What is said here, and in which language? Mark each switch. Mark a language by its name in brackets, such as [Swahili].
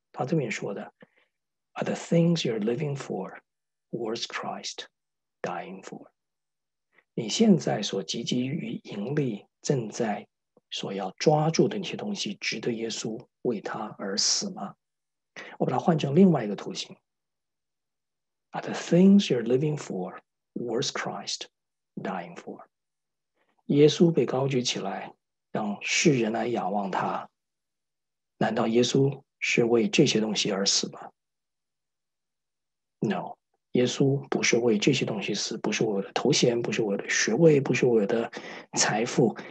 [English] 他这么说的：“Are the things you're living for worth Christ dying for？” [Chinese] 你现在所汲汲于盈利、正在所要抓住的那些东西，值得耶稣为他而死吗？我把它换成另外一个图形：“ [English] Are the things you're living for worth Christ dying for？” [Chinese] 耶稣被高举起来，让世人来仰望他。难道耶稣是为这些东西而死吗？No，耶稣不是为这些东西死，不是为我的头衔，不是我的学位，不是我的财富。